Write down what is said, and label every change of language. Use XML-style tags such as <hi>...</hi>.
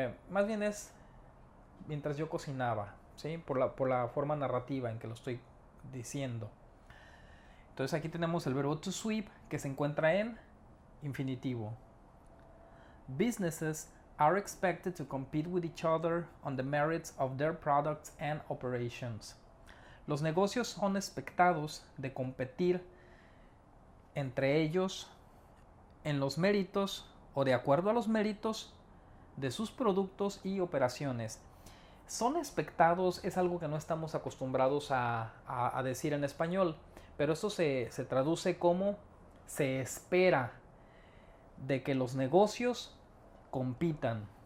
<es>Más bien es mientras yo cocinaba, ¿sí? Por la forma narrativa en que lo estoy diciendo. Entonces aquí tenemos el verbo to sweep, que se encuentra en infinitivo.</es> <en>Businesses are expected to compete with each other on the merits of their products and operations.</en> <es>Los negocios son expectados de competir entre ellos en los méritos o de acuerdo a los méritos de sus productos y operaciones. Son expectados es algo que no estamos acostumbrados a decir en español, pero esto se traduce como se espera de que los negocios compitan.</es>